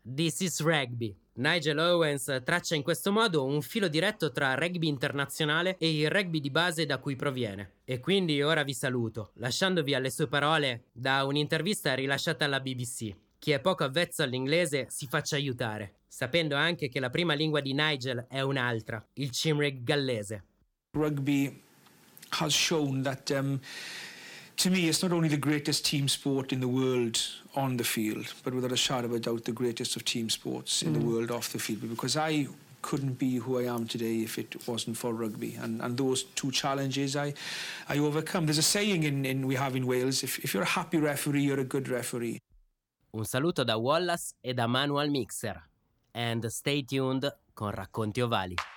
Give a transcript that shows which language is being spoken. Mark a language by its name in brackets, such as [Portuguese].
[English] This is rugby. [Italian] Nigel Owens traccia in questo modo un filo diretto tra rugby internazionale e il rugby di base da cui proviene. E quindi ora vi saluto, lasciandovi alle sue parole da un'intervista rilasciata alla BBC. Chi è poco avvezzo all'inglese si faccia aiutare, sapendo anche che la prima lingua di Nigel è un'altra, il Cymric gallese. [English] Rugby has shown that to me it's not only the greatest team sport in the world on the field, but without a shadow of a doubt the greatest of team sports in the world off the field, because I couldn't be who I am today if it wasn't for rugby, and those two challenges I overcome. There's a saying in we have in Wales, if you're a happy referee, you're a good referee. [Italian] Un saluto da Wallace e da Manuel Mixer. [English] And stay tuned con Racconti Ovali.